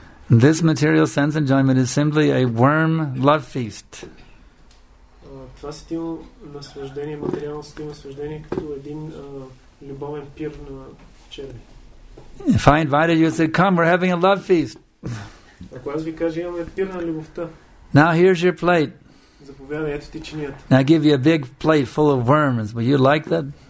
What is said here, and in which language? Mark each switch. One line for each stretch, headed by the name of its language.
English: This material sense enjoyment is simply a worm love feast.
Bulgarian: Това стило наслаждение, материално стило наслаждение като един любовен пир на черви.
English: If I invited you, say, come, we're having a love feast.
Bulgarian: Ако аз ви кажа, имаме пир на любовта.
English: Now here's your plate.
Bulgarian: Заповядай, ето ти чинията.
English: Now I give you a big plate full of worms. Would you like that?